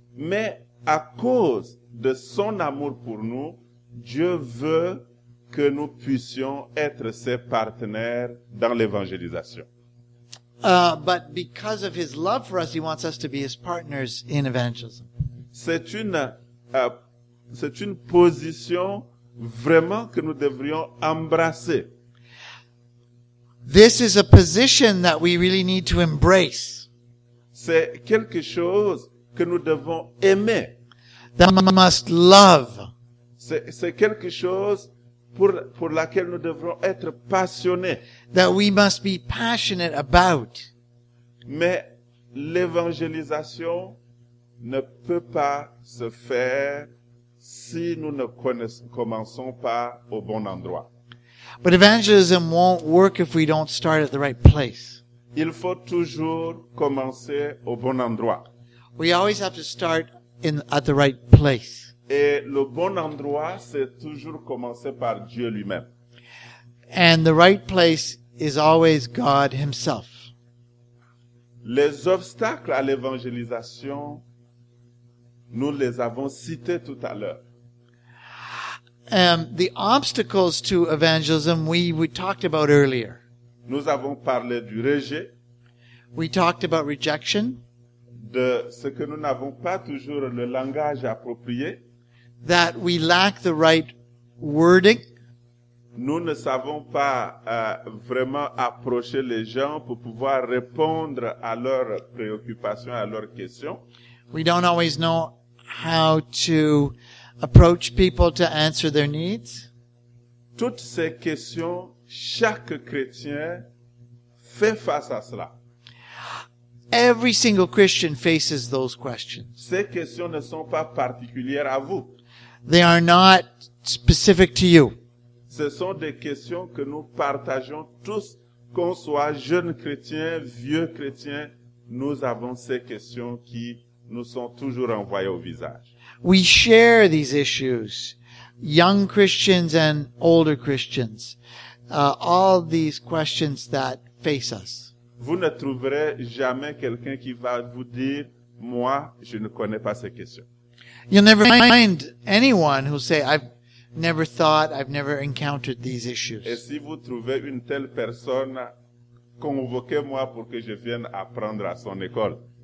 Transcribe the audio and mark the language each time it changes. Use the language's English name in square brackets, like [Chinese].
[French] Mais à cause de son amour pour nous, Dieu veut que nous puissions être ses partenaires dans l'évangélisation. [English] But because of his love for us, he wants us to be his partners in evangelism. [French] C'est une position vraiment que nous devrions embrasser. [English] This is a position that we really need to embrace. [French] C'est quelque chose que nous devons aimer. [English] That we must love. [French] C'est quelque chose pour laquelle nous devrons être passionnés. [English] That we must be passionate about. [French] Mais l'évangélisation ne peut pas se faire si nous ne commençons pas au bon endroit. [English] But evangelism won't work if we don't start at the right place. [French] Il faut toujours commencer au bon endroit. [English] We always have to start in at the right place. [French] Et le bon endroit, c'est toujours commencer par Dieu lui-même. [English] And the right place is always God himself. [French] Les obstacles à l'évangélisation, nous les avons cités tout à l'heure. [English] The obstacles to evangelism, we talked about earlier. [French] Nous avons parlé du rejet. [English] We talked about rejection. [French] De ce que nous n'avons pas toujours le langage approprié. [English] That we lack the right wording. [French] Nous ne savons pas vraiment approcher les gens pour pouvoir répondre à leurs préoccupations, à leurs questions. [English] We don't always know how to approach people to answer their needs. [French] Toutes ces questions, chaque chrétien fait face à cela. [English] Every single Christian faces those questions. [French] Ces questions ne sont pas particulières à vous. [English] They are not specific to you. [French] Ce sont des questions que nous partageons tous, qu'on soit jeune chrétien, vieux chrétien, nous avons ces questions qui nous sont toujours envoyées au visage. [English] We share these issues, young Christians and older Christians, all these questions that face us. [French] Vous ne trouverez jamais quelqu'un qui va vous dire, moi, je ne connais pas ces questions. [English] You'll never find anyone who say, I've never encountered these issues. [French] Et si vous trouvez une telle personne, convoquez-moi pour que je vienne apprendre à son école.